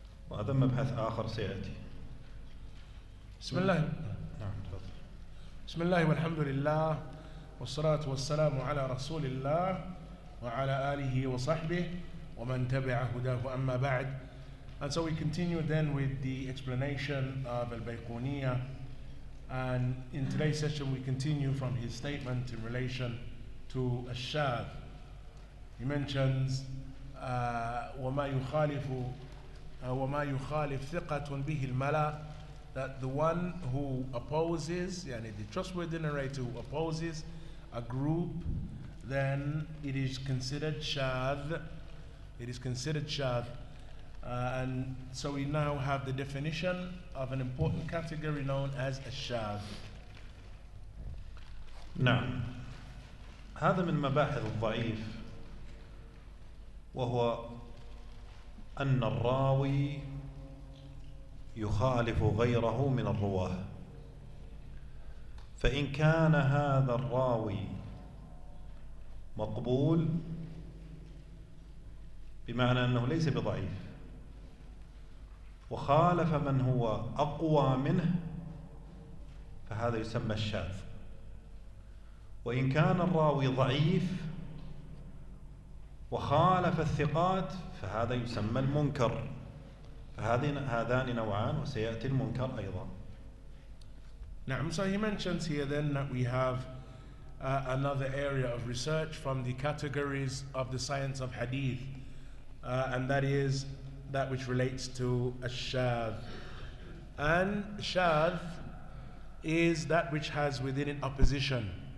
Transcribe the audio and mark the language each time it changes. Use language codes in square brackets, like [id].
[ar] وهذا مبحث آخر سيأتي. بسم الله. نعم، تفضل. بسم الله والحمد لله والصلاة والسلام على رسول الله وعلى آله وصحبه ومن تبع هداه، أما بعد. [en] And so we continue then with the explanation of al-Bayquniyya. And in today's session, we continue from his statement in relation to الشاذ. He mentions [ar] وما يخالف ثقة به الملا, [en] that the one who opposes, يعني the trustworthy narrator who opposes a group, then it is considered شاذ. It is considered شاذ. And so we now have the definition of an important category known as الشاذ. [ar] نعم، هذا من مباحث الضعيف، وهو أن الراوي يخالف غيره من الرواة. فإن كان هذا الراوي مقبول، بمعنى أنه ليس بضعيف، وخالف من هو أقوى منه، فهذا يسمى الشاذ. وإن كان الراوي ضعيف وخالف الثقات، فهذا يسمى المنكر. فهذان نوعان، وسيأتي المنكر أيضا. نعم. [en] So he mentions here then that we have another area of research from the categories of the science of hadith, and that is that which relates to الشاذ. And الشاذ is that which has within it opposition.